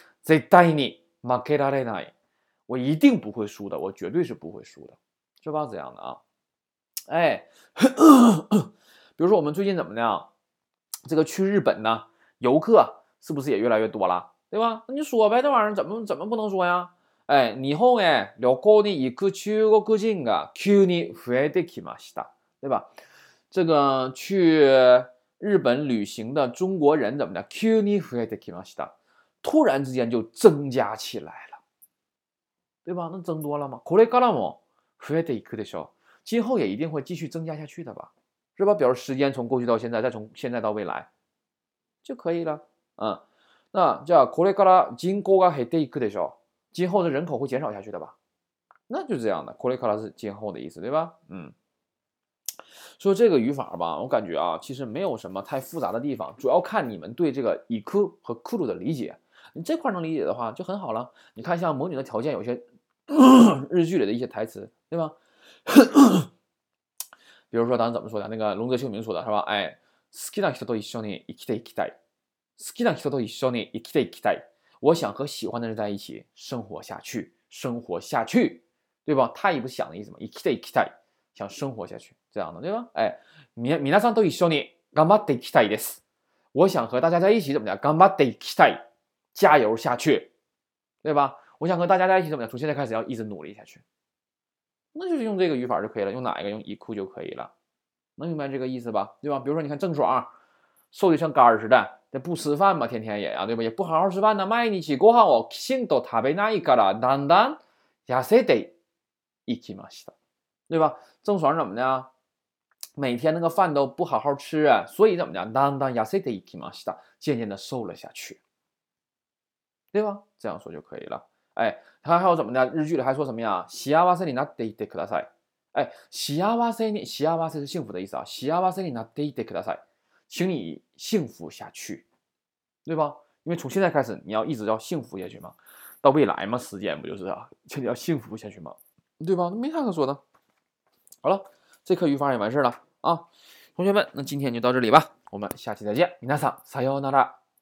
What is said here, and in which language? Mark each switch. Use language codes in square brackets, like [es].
[ja] 絶対に負けられない， [zh] 我一定不会输的，我绝对是不会输的，是吧？这样的啊，哎，比如说我们最近怎么的啊？这个去日本呢，游客是不是也越来越多了，对吧？那你说呗，这玩意儿怎么不能说呀？ [ja] 哎，日本へ旅行に行く中国人が急に増えてきました。 [zh] 对吧？这个去日本旅行的中国人怎么的？ [ja] 急に増えてきました。 [zh] 突然之间就增加起来了，对吧？那增多了吗？ [ja] これからも増えていくでしょう。 [zh] 今后也一定会继续增加下去的吧？是吧？表示时间从过去到现在，再从现在到未来就可以了。 [ja] 嗯，那叫これから人口が減っていくでしょう。 [zh] 今后的人口会减少下去的吧？那就这样的，これから是今后的意思，对吧？嗯，说这个语法吧，我感觉啊，其实没有什么太复杂的地方，主要看你们对这个いく和くる的理解。你这块能理解的话就很好了。你看，像母女的条件，有些日剧里的一些台词，对吧？比如说，当时怎么说的？那个龙泽秀明说的是吧？ [ja] 哎，好きな人と一緒に生きていきたい。好きな人と一緒に生きていきたい。 [zh] 我想和喜欢的人在一起生活下去，生活下去，对吧？他也不想的意思嘛，生きていきたい，想生活下去，这样的，对吧？ [ja] 哎，皆さんと一緒に頑張っていきたいです。 [zh] 我想和大家在一起怎么讲？ [ja] 頑張っていきたい， [zh] 加油下去，对吧？我想和大家在一起怎么讲？从现在开始要一直努力下去。那就是用这个语法就可以了，用哪一个？用いく就可以了，能明白这个意思吧？对吧？比如说，你看郑爽，瘦的像杆儿似的，这不吃饭嘛，天天也呀，对吧？也不好好吃饭呢， [ja] 毎日ご飯をきちんと食べないから、だんだん痩せていきました， [zh] 对吧？郑爽怎么的？每天那个饭都不好好吃啊，所以怎么的？ [ja] だんだん痩せていきました， [zh] 渐渐的瘦了下去，对吧？这样说就可以了。哎，还有怎么的？日剧里还说什么呀？ [ja] 幸せになっていてください。 [zh] 哎，幸せに，幸せ是幸福的意思啊。 [ja] 幸せになっていてください， [zh] 请你幸福下去，对吧？因为从现在开始，你要一直要幸福下去嘛，到未来嘛，时间不就是啊？请你要幸福下去嘛，对吧？没啥可说的。好了，这课语法也完事了啊，同学们，那今天就到这里吧，我们下期再见。 [ja] 皆さん、さようなら。